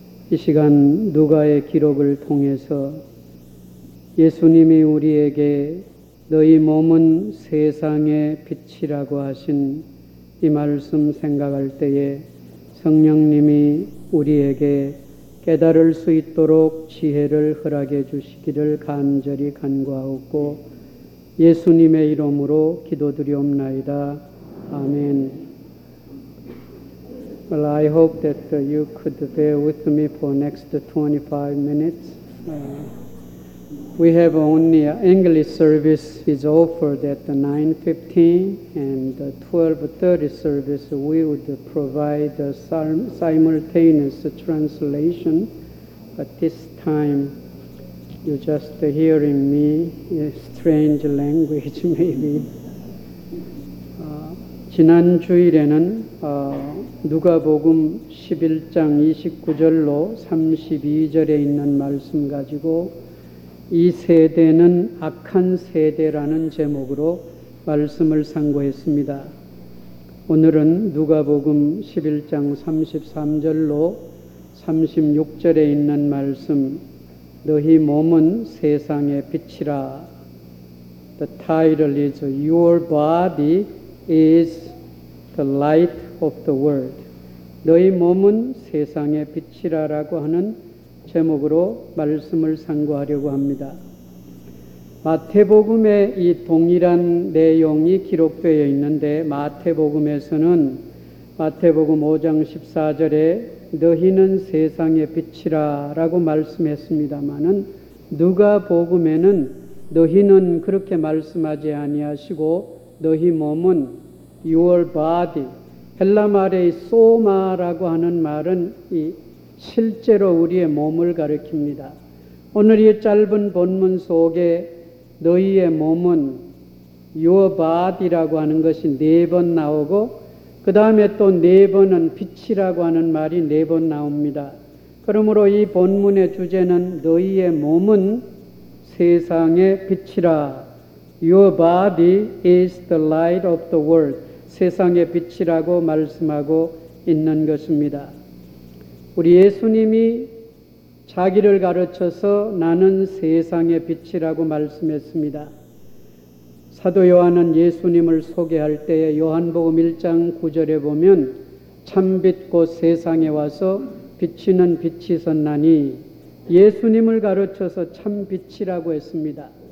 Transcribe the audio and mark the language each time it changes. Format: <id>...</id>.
<ko>이 시간 누가의 기록을 통해서 예수님이 우리에게 너희 몸은 세상의 빛이라고 하신 이 말씀 생각할 때에 성령님이 우리에게 깨달을 수 있도록 지혜를 허락해 주시기를 간절히 간구하옵고 예수님의 이름으로 기도드리옵나이다. 아멘.</ko> <en>Well, I hope that you could bear with me for next 25 minutes. We have only English service is offered at 9:15 and 12:30 service. We would provide a simultaneous translation, but this time you're just hearing me in strange language, maybe.</en> <ko>지난 주일에는 누가복음 11장 29절로 32절에 있는 말씀 가지고 이 세대는 악한 세대라는 제목으로 말씀을 상고했습니다. 오늘은 누가복음 11장 33절로 36절에 있는 말씀 너희 몸은 세상의 빛이라.</ko> <en>The title is Your Body is the Light of the World.</en> <ko>너희 몸은 세상의 빛이라 라고 하는 제목으로 말씀을 상고하려고 합니다. 마태복음에 이 동일한 내용이 기록되어 있는데 마태복음에서는 마태복음 5장 14절에 너희는 세상의 빛이라 라고 말씀했습니다마는 누가복음에는 너희는 그렇게 말씀하지 아니하시고 너희 몸은</ko> <en>your body</en> <ko>헬라말의 소마라고 하는 말은 이 실제로 우리의 몸을 가리킵니다. 오늘 이 짧은 본문 속에 너희의 몸은</ko> <en>your body</en> <ko>라고 하는 것이 네 번 나오고 그 다음에 또 네 번은 빛이라고 하는 말이 네 번 나옵니다. 그러므로 이 본문의 주제는 너희의 몸은 세상의 빛이라.</ko> <en>Your body is the light of the world.</en> <ko>세상의 빛이라고 말씀하고 있는 것입니다. 우리 예수님이 자기를 가르쳐서 나는 세상의 빛이라고 말씀했습니다. 사도 요한은 예수님을 소개할 때에 요한복음 1장 9절에 보면 참빛 곧 세상에 와서 비치는 빛이 선나니 예수님을 가르쳐서 참빛이라고 했습니다.</ko>